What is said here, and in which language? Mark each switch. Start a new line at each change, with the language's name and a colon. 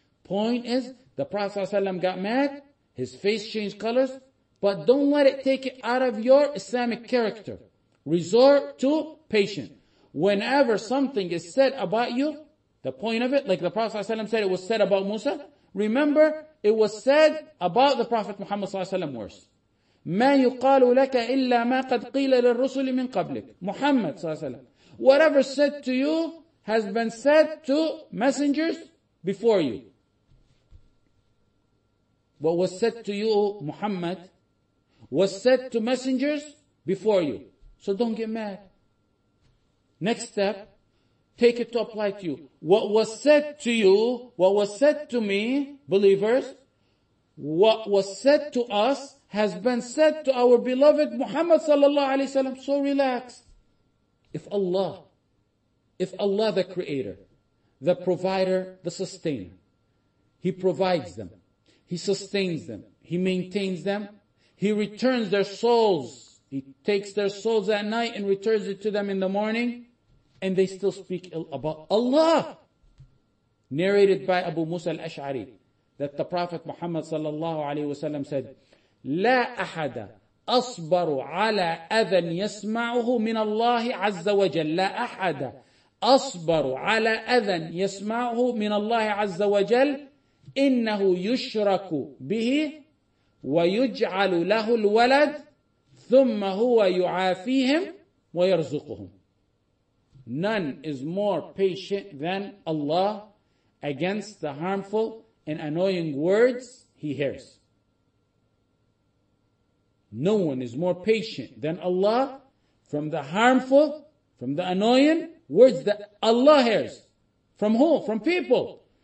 English: Point is, the Prophet ﷺ got mad, his face changed colors, but don't let it take it out of your Islamic character. Resort to patience. Whenever something is said about you, the point of it, like the Prophet ﷺ said it was said about Musa, remember, it was said about the Prophet Muhammad ﷺ worse.
Arabic: مَا يُقَالُ لَكَ إِلَّا مَا قَدْ قِيلَ لِلرُّسُلِ مِنْ قَبْلِكَ Muhammad ﷺ.
English: Whatever said to you has been said to messengers before you. What was said to you, Muhammad, was said to messengers before you. So don't get mad. Next step, take it to apply to you. What was said to you, what was said to me, believers, what was said to us, has been said to our beloved Muhammad sallallahu alaihi wasallam. So relax. If Allah the creator, the provider, the sustainer, he provides them, he sustains them, he maintains them, he returns their souls, he takes their souls at night and returns it to them in the morning, and they still speak ill about Allah. Narrated by Abu Musa al-Ash'ari, that the Prophet Muhammad sallallahu alaihi wasallam said,
Arabic: لا أحد أصبر على أذى يسمعه من الله عز وجل لا أحد أصبر على أذى يسمعه من الله عز وجل إنه يشرك به ويجعل له الولد ثم هو يعافيهم ويرزقهم.
English: None is more patient than Allah against the harmful and annoying words he hears. No one is more patient than Allah from the harmful, from the annoying words that Allah hears. From who? From people.